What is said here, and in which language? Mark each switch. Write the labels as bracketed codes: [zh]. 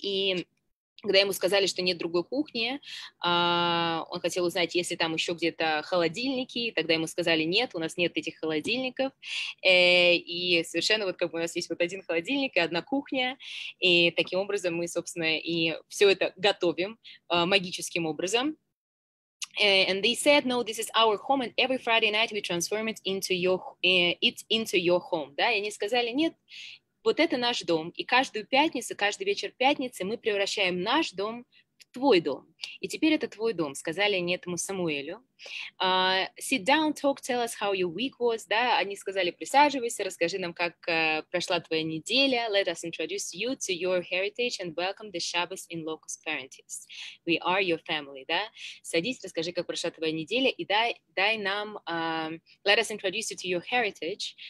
[ru] И когда ему сказали, что нет другой кухни, он хотел узнать, есть ли там еще где-то холодильники. Тогда ему сказали, нет, у нас нет этих холодильников. И совершенно вот как бы у нас есть вот один холодильник и одна кухня. И таким образом мы, собственно, и все это готовим магическим образом. [en] And they said, no, this is our home, and every Friday night we transform it into your, it into your home. [ru] Да, и они сказали, нет, вот это наш дом, и каждую пятницу, каждый вечер пятницы мы превращаем наш дом в твой дом. И теперь это твой дом, сказали они этому Самуэлю. [en] Sit down, talk, tell us how your week was. [ru] Да, они сказали, присаживайся, расскажи нам, как прошла твоя неделя. [en] Let us introduce you to your heritage and welcome the Shabbos in locus parentis. We are your family. [ru] Да, садись, расскажи, как прошла твоя неделя, и дай нам [en] let us introduce you to your heritage.